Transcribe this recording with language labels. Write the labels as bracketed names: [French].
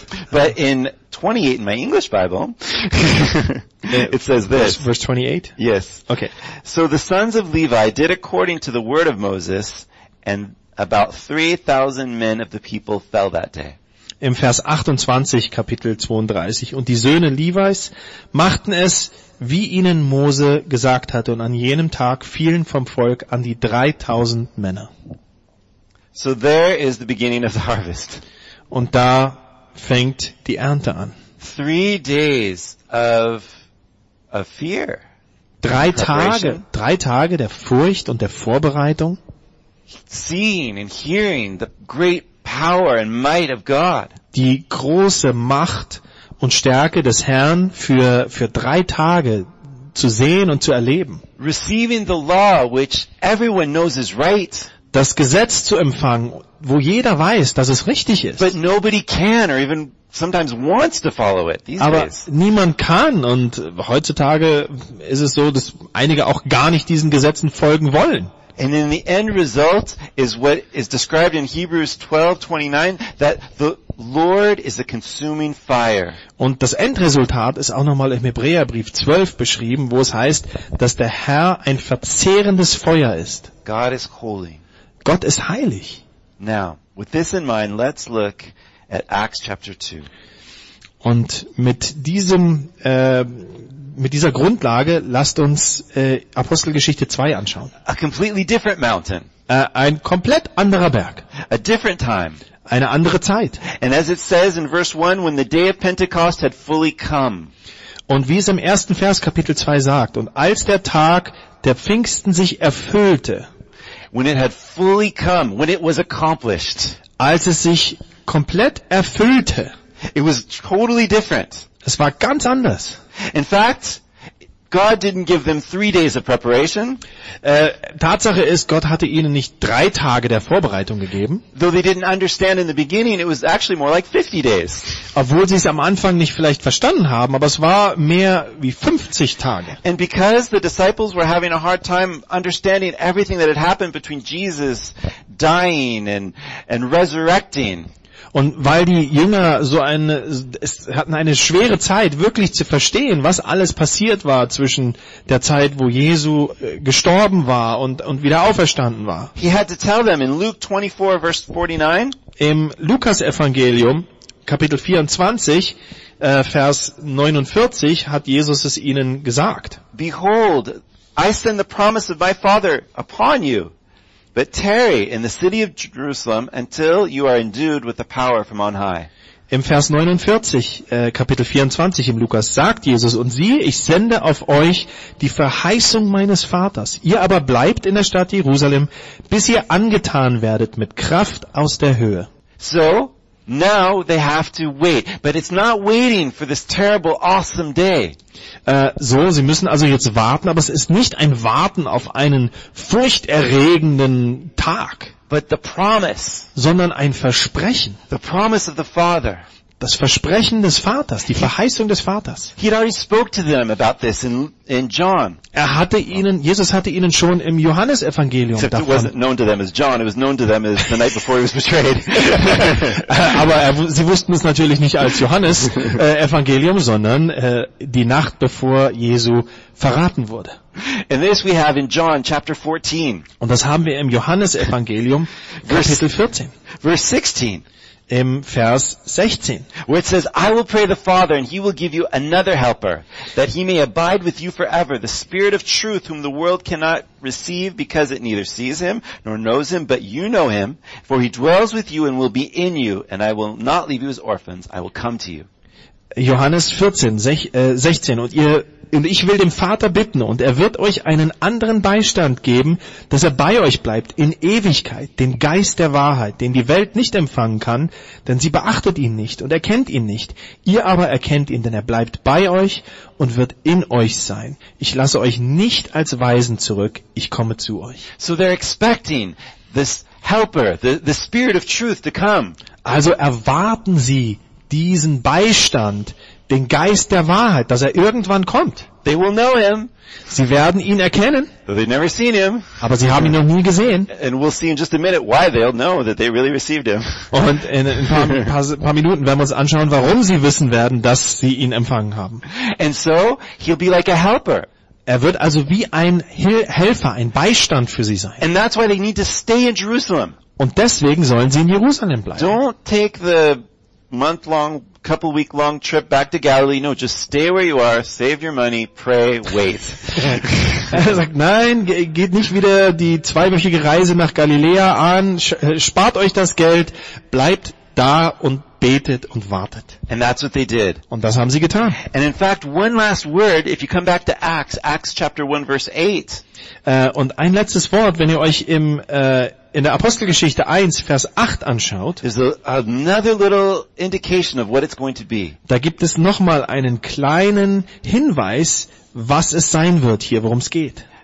[English] But in 28 in my English Bible, it says this. Verse 28. Yes. Okay. So the sons of Levi did according to the word of Moses, and about 3,000 men of the people fell that day. [German] Im Vers 28 Kapitel 32 und die Söhne Levis machten es, wie ihnen Mose gesagt hatte, und an jenem Tag fielen vom Volk an die 3000 Männer. [English] So there is the beginning of the harvest. [German] Und da fängt die Ernte an. [English] 3 days of fear. [German] Drei Tage der Furcht und der Vorbereitung. [English] seeing and hearing the great power and might of God. [German] Die große Macht und Stärke des Herrn für drei Tage zu sehen und zu erleben. [English] Receiving the law, which everyone knows is right. [German] Das Gesetz zu empfangen, wo jeder weiß, dass es richtig ist. [English] But nobody can or even sometimes wants to follow it these [German] Aber [English] days. [German] Niemand kann, und heutzutage ist es so, dass einige auch gar nicht diesen Gesetzen folgen wollen. [English] And in the end result is what is described in Hebrews 12:29, that the Lord is a consuming fire. [German] Und das Endresultat ist auch nochmal im Hebräerbrief 12 beschrieben, wo es heißt, dass der Herr ein verzehrendes Feuer ist. [English] God is holy. [German] Gott ist heilig. [English] Now, with this in mind, let's look at Acts chapter 2. [German] Und mit diesem mit dieser Grundlage lasst uns Apostelgeschichte 2 anschauen. [English] A completely different mountain. [German] Ein komplett anderer Berg. [English] A different time. [German] Eine andere Zeit. [English] And as it says in verse 1, when the day of Pentecost had fully come. [German] Und wie es im ersten Vers Kapitel 2 sagt, und als der Tag der Pfingsten sich erfüllte, [English] when it had fully come, when it was accomplished. [German] Als es sich komplett erfüllte. [English] It was totally different. [German] Es war ganz anders. [English] In fact, God didn't give them 3 days of preparation. [German] Tatsache ist, Gott hatte ihnen nicht 3 Tage der Vorbereitung gegeben. [English] Though they didn't understand in the beginning, it was actually more like 50 days. [German] Obwohl sie es am Anfang nicht vielleicht verstanden haben, aber es war mehr wie 50 Tage. [English] And because the disciples were having a hard time understanding everything that had happened between Jesus dying and resurrecting. [German] Und weil die Jünger hatten eine schwere Zeit, wirklich zu verstehen, was alles passiert war zwischen der Zeit, wo Jesu gestorben war und wieder auferstanden war. [English] He had to tell them in Luke 24, verse 49. [German] Im Lukas-Evangelium, Kapitel 24, Vers 49, hat Jesus es ihnen gesagt. [English] Behold, I send the promise of my Father upon you. But tarry in the city of Jerusalem until you are endued with the power from on high. [German] Im Vers 49, Kapitel 24 im Lukas sagt Jesus, und siehe, ich sende auf euch die Verheißung meines Vaters. Ihr aber bleibt in der Stadt Jerusalem, bis ihr angetan werdet mit Kraft aus der Höhe. [English] So, now they have to wait. But it's not waiting for this terrible, awesome day. [German] So, sie müssen also jetzt warten, aber es ist nicht ein Warten auf einen furchterregenden Tag. [English] But the promise. [German] Sondern ein Versprechen. [English] The promise of the Father. [German] Das Versprechen des Vaters, die Verheißung des Vaters. [English] He had already spoke to them about this in John. [German] Er hatte ihnen, Jesus hatte ihnen schon im Johannesevangelium davon. [English] Except it wasn't known to them as John, it was known to them as the night before he was betrayed. [German] Aber sie wussten es natürlich nicht als Johannes Evangelium, sondern die Nacht bevor Jesu verraten wurde. [English] And this we have in John chapter 14. [German] Und das haben wir im Johannesevangelium Kapitel 14. [English] Verse 16. [German] Im Vers 16, [English] where it says, I will pray the Father and he will give you another helper, that he may abide with you forever, the Spirit of truth, whom the world cannot receive because it neither sees him nor knows him, but you know him, for he dwells with you and will be in you, and I will not leave you as orphans, I will come to you. [German] Johannes 14:16, und ich will dem Vater bitten, und er wird euch einen anderen Beistand geben, dass er bei euch bleibt in Ewigkeit, den Geist der Wahrheit, den die Welt nicht empfangen kann, denn sie beachtet ihn nicht und erkennt ihn nicht. Ihr aber erkennt ihn, denn er bleibt bei euch und wird in euch sein. Ich lasse euch nicht als Waisen zurück, ich komme zu euch. [English] So they're expecting this helper, the Spirit of truth to come. [German] Also erwarten sie diesen Beistand, den Geist der Wahrheit, dass er irgendwann kommt. [English] They will know him. [German] Sie werden ihn erkennen. [English] They've never seen him. [German] Aber sie haben ihn noch nie gesehen. [English] And we'll see in just a minute why they'll know that they really received him. [German] Und in ein paar Minuten werden wir uns anschauen, warum sie wissen werden, dass sie ihn empfangen haben. [English] And so he'll be like a helper. [German] Er wird also wie ein Helfer, ein Beistand für sie sein. [English] And that's why they need to stay in Jerusalem. [German] Und deswegen sollen sie in Jerusalem bleiben. [English] Don't take the month-long, couple-week-long trip back to Galilee. No, just stay where you are, save your money, pray, wait. [German] Er sagt, nein, geht nicht wieder die zweiwöchige Reise nach Galiläa an, spart euch das Geld, bleibt da und betet und wartet. [English] And that's what they did. [German] Und das haben sie getan. [English] And in fact, one last word, if you come back to Acts chapter 1, verse 8. [German] Und ein letztes Wort, wenn ihr euch im in der Apostelgeschichte 1, Vers 8 anschaut, [English] is another little indication of what it's going to be. [German] Da gibt es nochmal einen kleinen Hinweis, was es sein wird hier, worum es geht.